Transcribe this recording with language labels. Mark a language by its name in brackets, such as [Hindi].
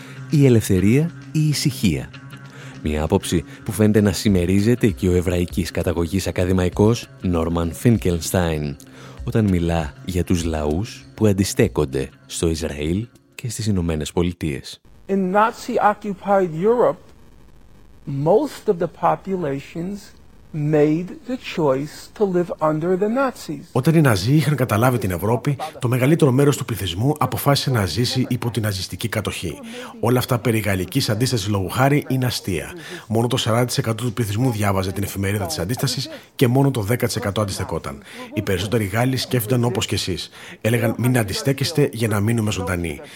[Greek] Η ελευθερία ή η ησυχία. Μια άποψη που φαίνεται να συμμερίζεται και ο εβραϊκής καταγωγής ακαδημαϊκός Νόρμαν Φίνκελστάιν όταν μιλά για τους λαούς που αντιστέκονται στο Ισραήλ και στις Ηνωμένες Πολιτείες. [English] In Nazi-occupied Europe, most of the populations made the choice to live under the Nazis. [Greek] Όταν οι Ναζί είχαν καταλάβει την Ευρώπη, το μεγαλύτερο μέρος του πληθυσμού αποφάσισε να ζήσει υπό την ναζιστική κατοχή. Όλα αυτά περί γαλλικής αντίστασης λόγου χάρη είναι αστεία. Μόνο το 40% του πληθυσμού διάβαζε την εφημερίδα της αντίστασης και μόνο το 10% αντιστεκόταν. Οι περισσότεροι Γάλλοι σκέφτονταν όπως και εσείς. Έλεγαν μην αντιστέκεστε για να μείνουμε ζωντανοί.